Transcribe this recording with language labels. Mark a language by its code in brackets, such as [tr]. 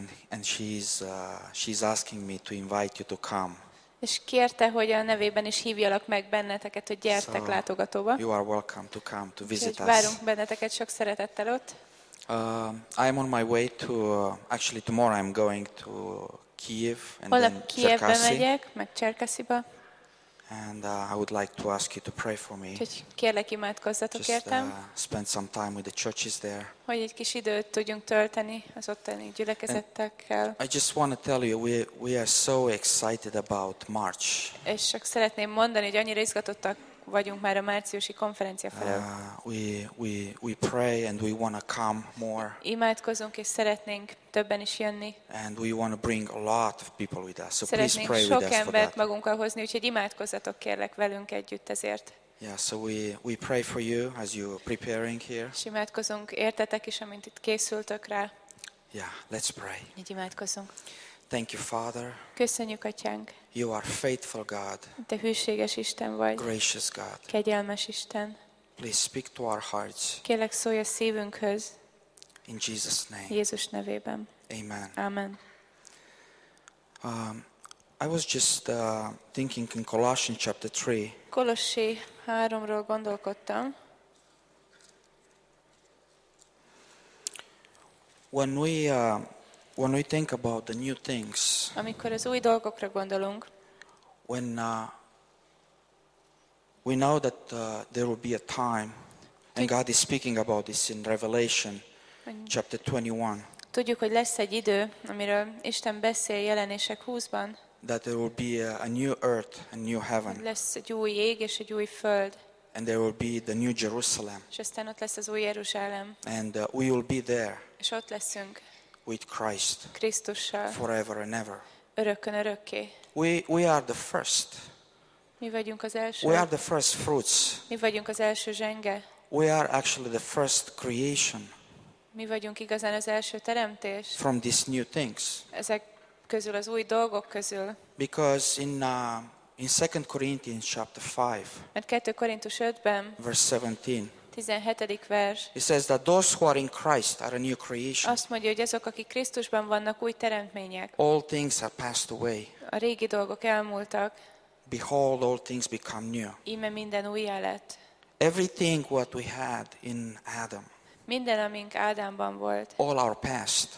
[en] And she's asking me to invite you to come. [hu] És kérte, hogy a nevében is hívjalak meg benneteket, hogy gyertek [en] so, [hu] látogatóba. [en] You are welcome to come to visit us. [hu] Várunk benneteket sok szeretettel ott. [en] I'm on my way to actually tomorrow I'm going to Kiev and [hu] holnap [en] then [hu] Kievbe megyek, meg Cserkasziba. [en] And I would like to ask you to pray for me. [hu] Hogy kérlek, imádkozzatok értem. [en] Spend some time with the churches there. [hu] Hogy egy kis időt tudjunk tölteni az ottani gyülekezetekkel. [en] I just want to tell you we are so excited about March. [hu] És csak szeretném mondani, hogy annyira izgatottak vagyunk már a márciusi konferencia felől. [en] We pray and we want to come more. [hu] Imádkozunk és szeretnénk többen is jönni. [en] And we want to bring a lot of people with us. So [hu] szeretnénk [en] please pray with us for that. [hu] Szeretnénk sok embert magunkkal hozni, úgyhogy imádkozzatok kérlek velünk együtt ezért. [en] Yeah, so we pray for you as you're preparing here. [hu] És imádkozunk értetek is, amint itt készültök rá. [en] Yeah, let's pray. [hu] Így imádkozunk. [en] Thank you, Father. [hu] Köszönjük, Atyánk. [en] You are faithful God. [hu] Te hűséges Isten vagy. [en] Gracious God. [hu] Kegyelmes Isten. [en] Please speak to our hearts. [hu] Kérlek, szólj a szívünkhöz. [en] In Jesus name. [hu] Jézus nevében. [en] Amen. [hu] Amen. [en] I was just thinking in Colossians chapter 3. [hu] Kolossi 3-ról gondolkodtam. [en] When we think about the new things. [hu] Amikor az új dolgokra gondolunk. [en] When we know that there will be a time and God is speaking about this in Revelation chapter 21. [hu] Tudjuk, hogy lesz egy idő, amiről Isten beszél Jelenések 20-ban. [en] That there will be a new earth and new heaven. [hu] Lesz egy új ég és egy új föld. [en] And there will be the new Jerusalem. [hu] És aztán ott lesz az új Jeruzsálem. [en] And we will be there. [hu] És ott leszünk. [en] With Christ. [hu] Krisztussal. [en] Forever and ever. [hu] Örökkön örökké. [en] We are the first. [hu] Mi vagyunk az első. [en] We are the first fruits. [hu] Mi vagyunk az első zsenge. [en] We are actually the first creation. [hu] Mi vagyunk igazán az első teremtés. [en] From these new things. [hu] Ezek közül az új dolgok közül. [en] Because in 2 Corinthians chapter 5. [hu] Mert 2 Korintus 5-ben. [en] Verse 17. [hu] 17. vers. [en] He says that those who are in Christ are a new creation. [hu] Azt mondja, hogy azok, akik Krisztusban vannak, új teremtmények. [en] All things are passed away. [hu] A régi dolgok elmúltak. [en] Behold, all things become new. [hu] Íme minden újjá lett. [en] Everything what we had in Adam. [hu] Minden, amink Ádámban volt. [en] All our past.